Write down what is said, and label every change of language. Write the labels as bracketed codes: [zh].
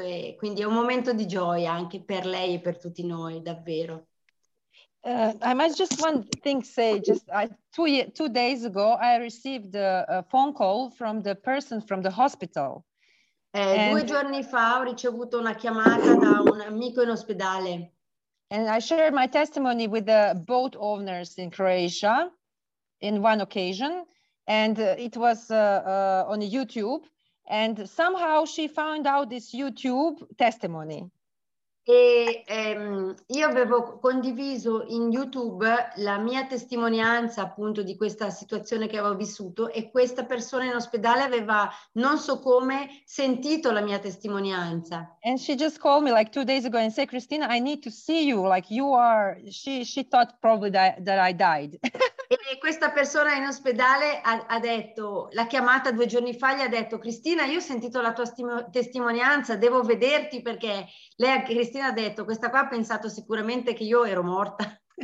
[it] E quindi è un momento di gioia anche per lei e per tutti noi, davvero. [en] I might just one thing say, just two days ago, I received a phone call from the person from the hospital. [it] Due giorni fa ho ricevuto una chiamata da un amico in ospedale. [en] And I shared my testimony with the boat owners in Croatia in one occasion. And it was on YouTube. And somehow she found out this YouTube testimony. [it] E io avevo condiviso in YouTube la mia testimonianza appunto di questa situazione che avevo vissuto e questa persona in ospedale aveva non so come sentito la mia testimonianza. [en] And she just called me like two days ago and said, Cristina, I need to see you, like you are, she thought probably that I died. [it] E questa persona in ospedale ha detto, l'ha chiamata due giorni fa, gli ha detto, Cristina, io ho sentito la tua testimonianza, devo vederti perché lei, Cristina, ha detto, questa qua ha pensato sicuramente che io ero morta.